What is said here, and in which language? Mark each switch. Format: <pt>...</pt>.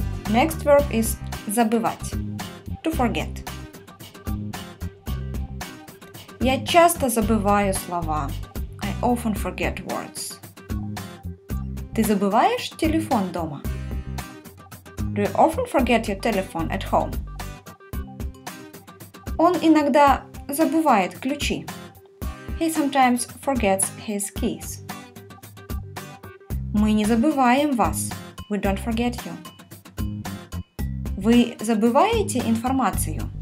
<en>Next verb is забывать. To forget.</en> <ru>Я часто забываю слова.</ru> <en>I often forget words.</en> <ru>Ты забываешь телефон дома?</ru> <en>Do you often forget your telephone at home?</en> <ru>Он иногда забывает ключи.</ru> <en>He sometimes forgets his keys.</en> <ru>Мы не забываем вас.</ru> <en>We don't forget you.</en> <ru>Вы забываете информацию?</ru>